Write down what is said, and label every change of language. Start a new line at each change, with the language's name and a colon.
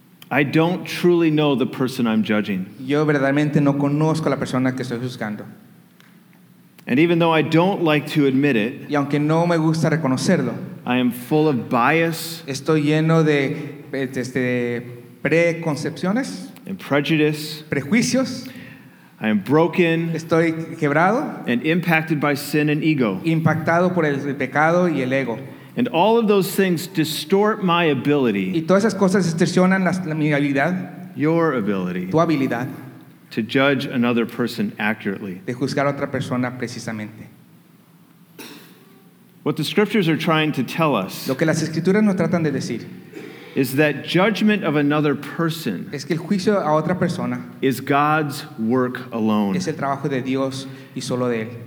English: I don't truly know the person I'm judging.
Spanish: Yo verdaderamente no conozco la persona que estoy juzgando.
English: And even though I don't like to admit it,
Spanish: y aunque no me gusta reconocerlo,
English: I am full of bias.
Spanish: Estoy lleno de preconcepciones.
English: And prejudice.
Spanish: Prejuicios.
English: I am broken.
Spanish: Estoy quebrado.
English: And impacted by sin and ego.
Spanish: Impactado por el pecado y el ego.
English: And all of those things distort my ability.
Spanish: Y todas esas cosas distorsionan mi habilidad.
English: Your ability.
Spanish: Tu habilidad.
English: To judge another person accurately.
Spanish: De juzgar a otra persona precisamente.
English: What the scriptures are trying to tell us.
Spanish: Lo que las escrituras nos tratan de decir.
English: Is that judgment of another person.
Spanish: Es que el juicio a otra persona.
English: Is God's work alone.
Spanish: Es el trabajo de Dios y solo de él.